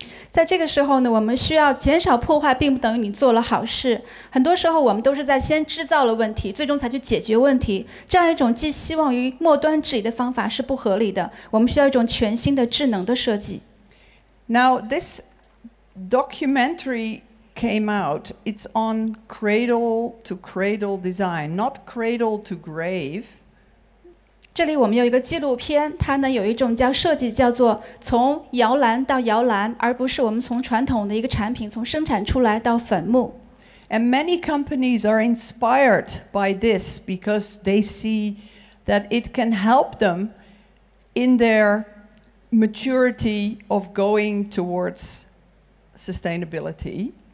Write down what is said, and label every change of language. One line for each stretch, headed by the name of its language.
Chinese: 在这个时候呢，我们需要减少破坏，并不等于你做了好事。很多时候，我们都是在先制造了问题，最终才去解决问题。这样一种寄希望于末端治理的方法是不合理的。我们需要一种全新的智能的设计。
English: Now this documentary came out. It's on cradle to cradle design, not cradle to grave.
Chinese: 这里我们有一个纪录片，它呢有一种叫设计，叫做从摇篮到摇篮，而不是我们从传统的一个产品从生产出来到坟墓。
English: And many companies are inspired by this because they see that it can help them in their maturity of going towards sustainability.